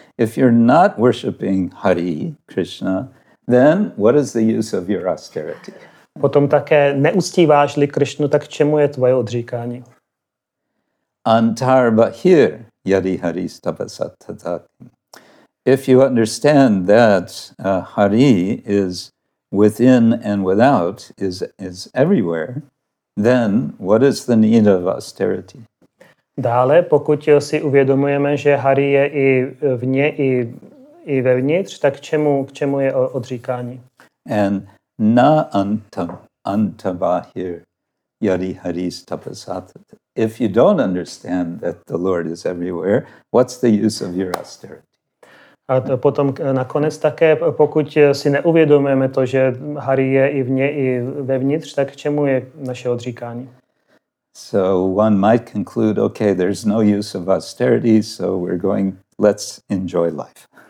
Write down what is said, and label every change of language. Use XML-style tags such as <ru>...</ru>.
<en>If you're not worshipping Hari, Krishna, then what is the use of your austerity?</en> <cs>Potom také neuctíváš-li Kršnu, tak k čemu je tvoje odříkání?</cs> <sa>Antarbahir yadi haris tapasa tata king.</sa> <en>If you understand that Hari is within and without, is everywhere, then what is the need of austerity?</en> <cs>Dále, pokud si uvědomujeme, že Hari je i vně, i vevnitř, tak k čemu je odříkání?</cs> <sa>And na antabahir yadi haris tapasat.</sa> <en>If you don't understand that the Lord is everywhere, what's the use of your austerity?</en> <cs>A to potom nakonec také, pokud si neuvědomujeme to, že Hari je i vně, i vevnitř, tak k čemu je naše odříkání?</cs> <en>So one might conclude, okay, there's no use of austerity, so let's enjoy life.</en>